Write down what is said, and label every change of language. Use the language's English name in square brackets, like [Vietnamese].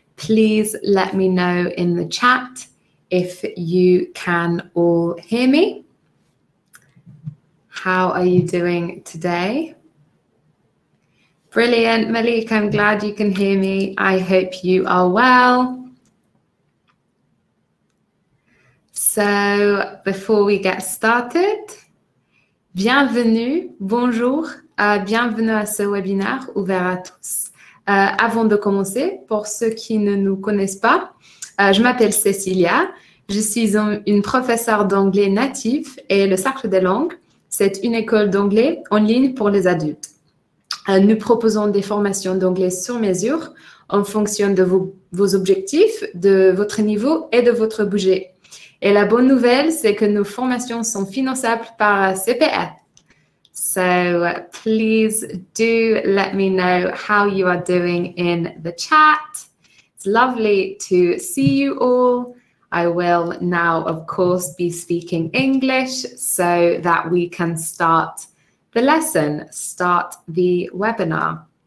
[English] Please let me know in the chat if you can all hear me. How are you doing today? Brilliant, Malika, I'm glad you can hear me. I hope you are well. So, before we get started, [French] bienvenue, bonjour, bienvenue à ce webinaire ouvert à tous. Avant de commencer, pour ceux qui ne nous connaissent pas, je m'appelle Cécilia, je suis une professeure d'anglais natif et le Cercle des langues, c'est une école d'anglais en ligne pour les adultes. Nous proposons des formations d'anglais sur mesure en fonction de vos objectifs, de votre niveau et de votre budget. Et la bonne nouvelle, c'est que nos formations sont finançables par CPF. [English] So please do let me know how you are doing in the chat. It's lovely to see you all. I will now, of course, be speaking English so that we can start the lesson, start the webinar.